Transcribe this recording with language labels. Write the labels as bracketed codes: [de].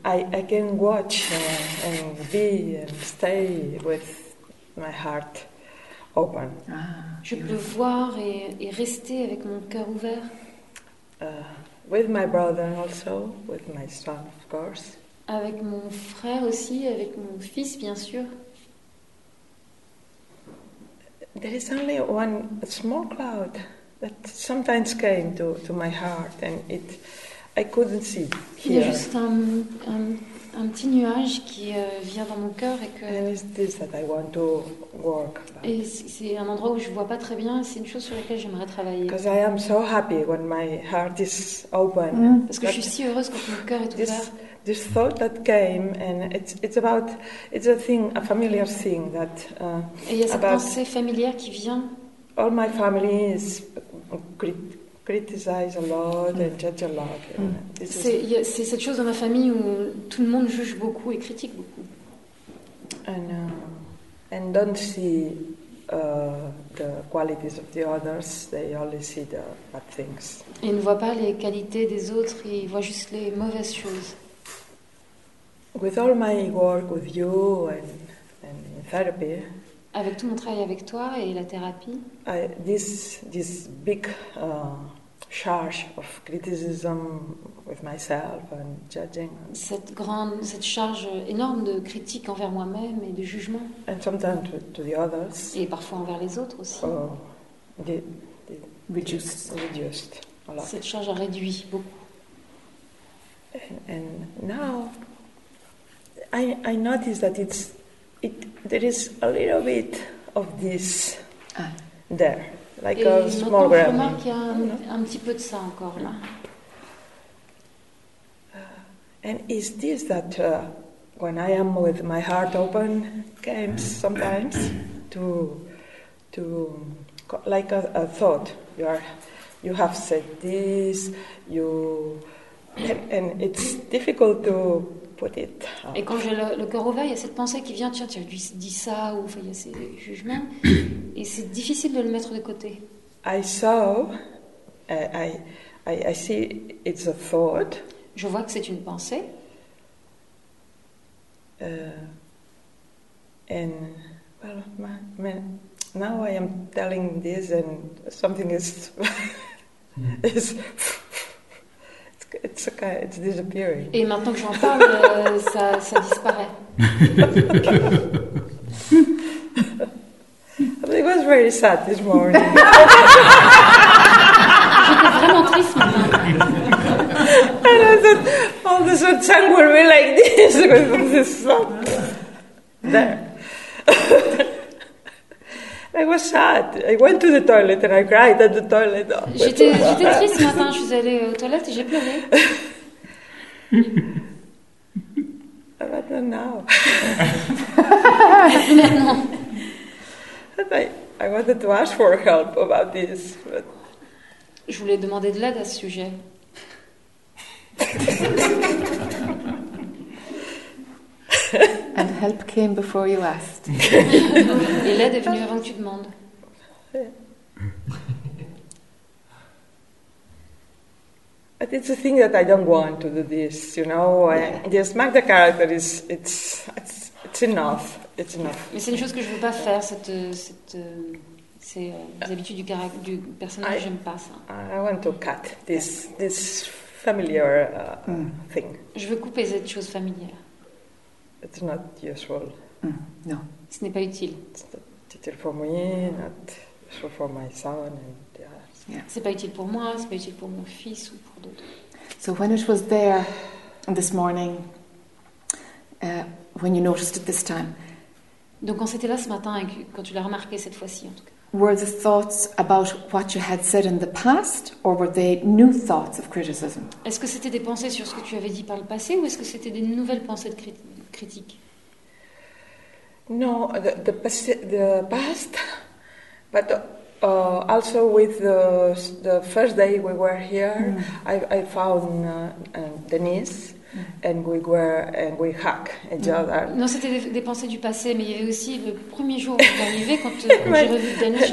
[en] I can watch and be and stay with my heart open. Ah, [fr] je peux voir et rester avec mon cœur ouvert. [en] With my brother also, with my son, of course. [fr] Avec mon frère aussi, avec mon fils, bien sûr. [en] There is only one small cloud that sometimes came to my heart, and it I couldn't see here. [fr] Il y a juste un petit nuage qui vient dans mon cœur et que. [en] And it's this that I want to work about. [fr] Et c'est un endroit où je vois pas très bien. C'est une chose sur laquelle j'aimerais travailler. [en] Because I am so happy when my heart is open. [fr] Parce que je suis si heureuse quand mon cœur est ouvert. [en] This thought that came and it's a thing, a familiar thing that. [fr] Et il y a cette pensée familière qui vient. [en] All my family is great. Criticize a lot and judge a lot. [fr] C'est cette chose dans ma famille où tout le monde juge beaucoup et critique beaucoup. [en] And don't see the qualities of the others. They only see the bad things. [fr] Et ne voit pas les qualités des autres. Ils voient juste les mauvaises choses. [en] With all my work with you and in therapy. [fr] Avec tout mon travail avec toi et la thérapie. [en] This big charge of criticism with myself and judging. [fr] Cette charge énorme de critique envers moi-même et de jugement. [en] And sometimes to the others. [fr] Et parfois envers les autres aussi. [en] Reduced a lot. [fr] Cette charge a réduit beaucoup. [en] And now I notice that there is a little bit of this there. Like [fr] et [en] a small [fr] je remarque qu'il y a un petit peu de ça encore là. [en] And is this that when I am with my heart open comes sometimes to like a thought you have said this you and it's difficult to put it. Out. [fr] Et quand j'ai le cœur ouvert, il y a cette pensée qui vient tiens tu as dit ça ou enfin il y a ces jugements. Et c'est difficile de le mettre de côté. [en] I see it's a thought. [fr] Je vois que c'est une pensée. [en] And well, now I am telling this, and something is it's disappearing. [fr] Et maintenant que j'en parle, ça disparaît. [en] It was very sad this morning. [fr] J'étais vraiment triste. [en] And I thought all the sort of tongue will be like this with this song. There. I was sad. I went to the toilet and I cried at the toilet. Oh, [fr] j'étais triste ce matin. Je suis allée aux toilettes et j'ai pleuré. [en] I don't know. [fr] Maintenant. [en] I wanted to ask for help about this, but. [fr] Je voulais demander de l'aide à ce sujet. [en] And help came before you asked. [fr] Et l'aide est venue avant que tu demandes. [en] But it's a thing that I don't want to do this, you know. Yeah. This Magda character is it's enough. It's enough. [fr] Mais c'est une chose que je veux pas faire. Ces habitudes du caractère du personnage, j'aime pas ça. [en] I want to cut this familiar thing. [fr] Je veux couper cette chose familière. [en] It's not useful. No. [fr] Ce n'est pas utile. [en] It's not useful for me. Not useful for my son. And [fr] C'est pas utile pour moi. C'est pas utile pour mon fils ou pour d'autres. [en] So when it was there this morning, when you noticed it this time. [fr] Donc quand c'était là ce matin et quand tu l'as remarqué cette fois-ci en tout cas. [en] Were the thoughts about what you had said in the past, or were they new thoughts of criticism? [fr] Est-ce que c'était des pensées sur ce que tu avais dit par le passé, ou est-ce que c'était des nouvelles pensées de critique? [en] No, the past, but also with the first day we were here, I found Denise. And we hug each other. [fr] Non, c'était des pensées du passé, mais il y avait aussi le premier jour où j'arrivais, quand j'ai revu Denis, je